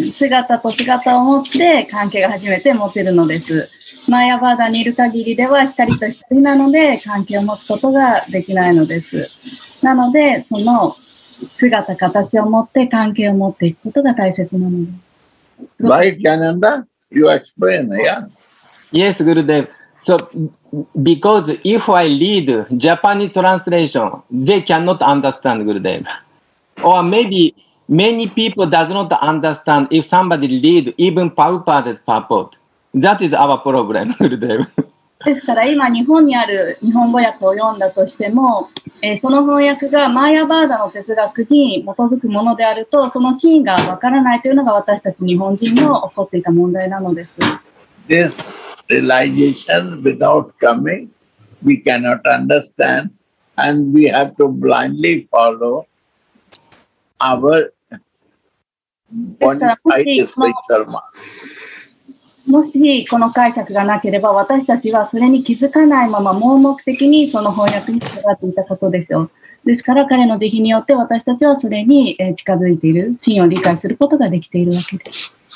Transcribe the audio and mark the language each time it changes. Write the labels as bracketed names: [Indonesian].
[Japanese] 姿と姿を持って関係が初めて持てるのです。 Mayavadにいる限りでは光と光なので関係を持つことができないのです。なのでその姿形を持って関係を持っていくことが大切なのです。 [English] Right, Ananda, you explain, yeah? Yes, Gurudev. So, because if I read Japanese translation, they cannot understand, Gurudev. Or maybe many people does not understand if somebody read even Prabhupada's purport. That is our problem, Gurudev. [Japanese] ですから今日本にある日本語訳を読んだとしても、その翻訳がマーヤバーダの哲学に基づくものであるとそのシーンがわからないというのが私たち日本人の起こっていた問題なのです。 [English] This realization without coming, we cannot understand and we have to blindly follow our bonafide spiritual mind. [Japanese] もしこの解釈がなければ私たちはそれに気づかないまま盲目的にその翻訳に従っていたことでしょう。ですから彼の慈悲によって私たちはそれに近づいている真を理解することができているわけです